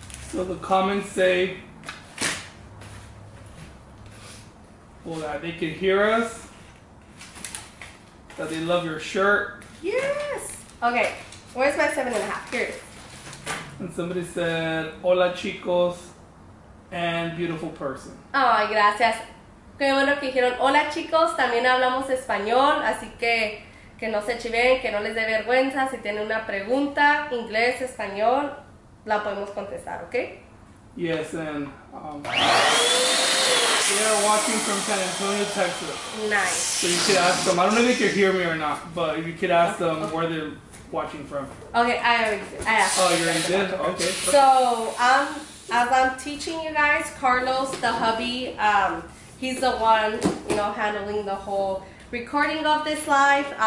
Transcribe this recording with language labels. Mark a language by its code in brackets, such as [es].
[en] So the comments say, well, that they can hear us, that they love your shirt. Yes. Okay. Where's my 7.5? Here. And somebody said, [es] hola chicos, [en] and beautiful person. [es] Oh, gracias. Qué bueno que dijeron, hola chicos, también hablamos español, así que no se chiven, que no les dé vergüenza. Si tienen una pregunta, inglés, español, la podemos contestar, ¿ok? [en] Yes, and we are watching from San Antonio, Texas. Nice. So you could ask them, I don't know if you can hear me or not, but you could ask them where they're watching from. Okay, I already did. Oh, you already did? Okay. So, as I'm teaching you guys, Carlos, the hubby, he's the one, you know, handling the whole recording of this live.